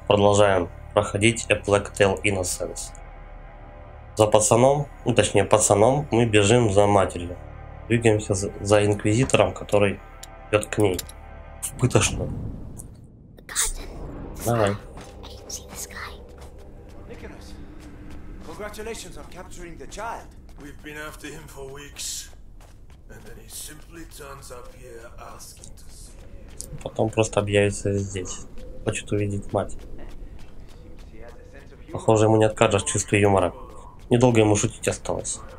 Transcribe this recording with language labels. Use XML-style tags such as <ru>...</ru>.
<ru>Продолжаем проходить A Plague Tale: Innocence. За пацаном, ну точнее пацаном, мы бежим за матерью. Двигаемся за инквизитором, который идет к ней. В пыточную. Давай.</ru> <en>Congratulations on capturing the child. We've been after him for weeks, and then he simply turns up here asking to see you.</en> <ru>Потом просто объявится здесь. Хочет увидеть мать. Похоже, ему не откажешь чувство юмора. Недолго ему шутить осталось.</ru>